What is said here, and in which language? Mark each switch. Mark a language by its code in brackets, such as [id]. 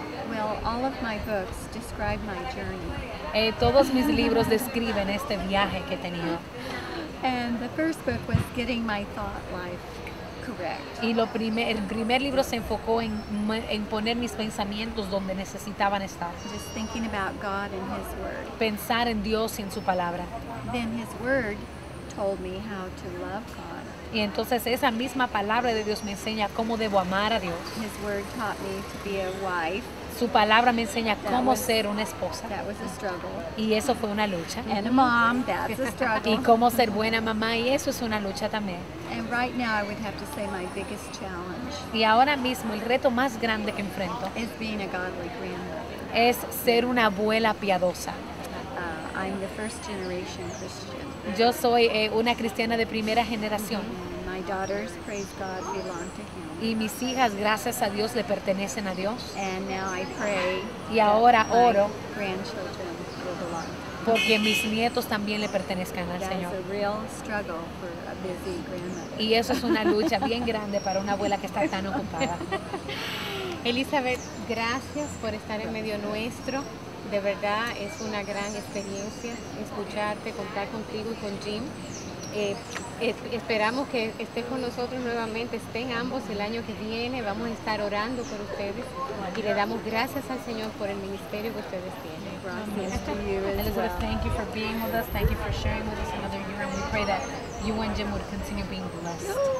[en] Well, all of my books describe my journey. [es] Todos mis libros describen este viaje que he tenido. [en] And the first book was getting my thought life correct. [es] Y el primer libro se enfocó en poner mis pensamientos donde necesitaban estar. [en] Just thinking about God and his word. [es] Pensar en Dios y en su palabra. [en] Then his word told me how to love God. [es] Y entonces esa misma palabra de Dios me enseña cómo debo amar a Dios. [en] His word taught me to be a wife. [es] Su palabra me enseña cómo ser una esposa. [en] That was a struggle. [es] Y eso fue una lucha. [en] And a mom, that's a struggle. [es] Y cómo ser buena mamá, y eso es una lucha también. [en] And right now I would have to say my biggest challenge. [es] Y ahora mismo el reto más grande que enfrento [en] is being a godly grandmother. [es] Es ser una abuela piadosa. [en] I'm the first generation Christian. [es] Yo soy una cristiana de primera generación. [en] Mm-hmm. My daughters, praise God, belong to him. [es] Y mis hijas, gracias a Dios, le pertenecen a Dios. [en] And now I pray, [es] y ahora oro [en] grandchildren will belong. [es] Porque mis nietos también le pertenezcan al Señor. [en] That's a real struggle for a busy grandmother. [es] Y eso es una lucha bien grande para una abuela que está tan ocupada. Elizabeth, gracias por estar en medio nuestro. De verdad, es una gran experiencia escucharte, contar contigo y con Jim. Esperamos que estés con nosotros nuevamente, estén ambos el año que viene. Vamos a estar orando por ustedes y le damos gracias al Señor por el ministerio que ustedes tienen. Gracias. Elizabeth, [en] thank you for being with us. Thank you for sharing with us another year. And we pray that you and Jim would continue being blessed.